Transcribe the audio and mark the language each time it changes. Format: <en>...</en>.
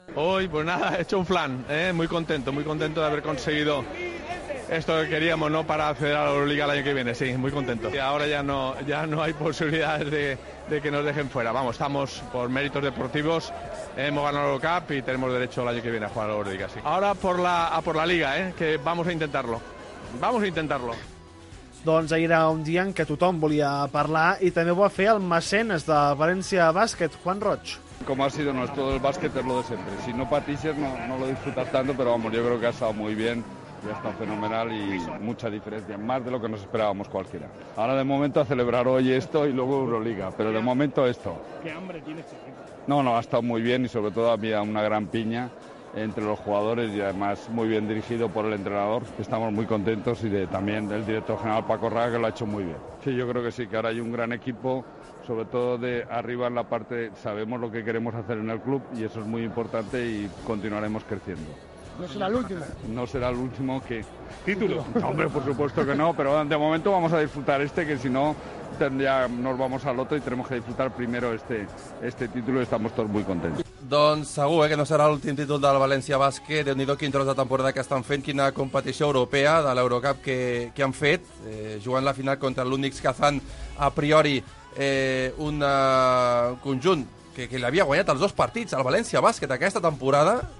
<es>Hoy, pues nada, he hecho un flan, ¿eh? Muy contento de haber conseguido esto que queríamos, ¿no? Para acceder a la Euroliga el año que viene, sí, muy contento. Y ahora ya no hay posibilidades de que nos dejen fuera. Vamos, estamos por méritos deportivos, hemos ganado la Eurocup y tenemos derecho el año que viene a jugar a la Euroliga, sí. Ahora por la Liga, ¿eh? Que vamos a intentarlo.</es> <ca>Doncs ahir era un dia en què tothom volia parlar i també ho va fer el mecenes de València Bàsquet, Juan Roig.</ca> <es>Como ha sido nuestro el básquet es lo de siempre. Si no patices no lo disfrutas tanto, pero vamos, yo creo que ha estado muy bien, ha estado fenomenal y mucha diferencia, más de lo que nos esperábamos cualquiera. Ahora de momento a celebrar hoy esto y luego Euroliga, pero de momento esto. ¿Qué hambre tiene este equipo? No, ha estado muy bien y sobre todo había una gran piña. entre los jugadores y además muy bien dirigido por el entrenador. Estamos muy contentos y también del director general Paco Raga, que lo ha hecho muy bien. Sí, yo creo que sí, que ahora hay un gran equipo, sobre todo de arriba en la parte, sabemos lo que queremos hacer en el club y eso es muy importante y continuaremos creciendo. ¿No será el último? ¿Qué? ¿Título? No, hombre, por supuesto que no, pero de momento vamos a disfrutar este, que si no, ya nos vamos al otro y tenemos que disfrutar primero este título y estamos todos muy contentos.</es> <ca>Doncs segur que no serà l'últim títol del València Bàsquet. Déu-n'hi-do quin tros de temporada que estan fent, quina competició europea de l'Eurocup que han fet, jugant la final contra l'Unix Kazan, a priori un conjunt que li havia guanyat els dos partits al València Bàsquet aquesta temporada.</ca>